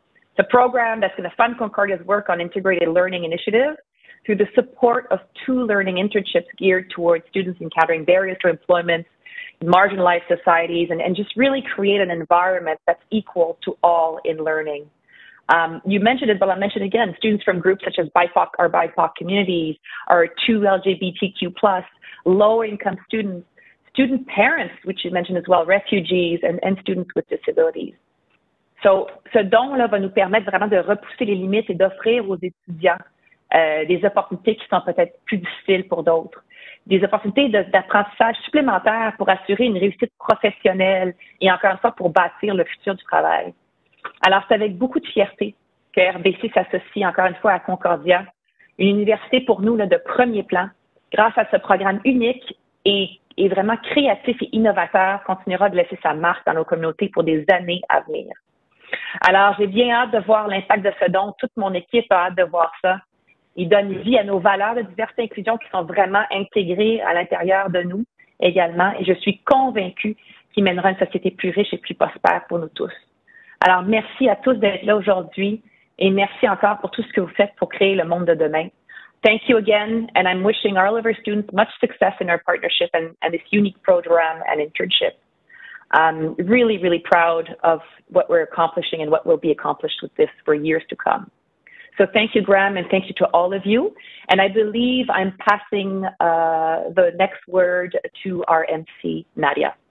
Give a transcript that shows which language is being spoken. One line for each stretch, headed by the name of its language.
English: It's a program that's going to fund Concordia's work on integrated learning initiatives through the support of two learning internships geared towards students encountering barriers to employment, marginalized societies, and just really create an environment that's equal to all in learning. You mentioned it, but I'll mention again, students from groups such as BIPOC or BIPOC communities, our two LGBTQ+, low-income students, student parents, which you mentioned as well, refugees, and students with disabilities.
French: So, ce don-là va nous permettre vraiment de repousser les limites et d'offrir aux étudiants des opportunités qui sont peut-être plus difficiles pour d'autres. des opportunités d'apprentissage supplémentaires pour assurer une réussite professionnelle et encore une fois pour bâtir le futur du travail. Alors, c'est avec beaucoup de fierté que RBC s'associe encore une fois à Concordia, une université pour nous là, de premier plan, grâce à ce programme unique et vraiment créatif et innovateur, continuera de laisser sa marque dans nos communautés pour des années à venir. Alors, j'ai bien hâte de voir l'impact de ce don. Toute mon équipe a hâte de voir ça. Il donne vie à nos valeurs de diversité et inclusion qui sont vraiment intégrées à l'intérieur de nous également. Et je suis convaincue qu'il mènera une société plus riche et plus prospère pour nous tous. Alors, merci à tous d'être là aujourd'hui et merci encore pour tout ce que vous faites pour créer le monde de demain.
English: Thank you again, and I'm wishing all of our students much success in our partnership and this unique program and internship. Really, really proud of what we're accomplishing and what will be accomplished with this for years to come. So thank you, Graham, and thank you to all of you. And I believe I'm passing the next word to our MC, Nadia.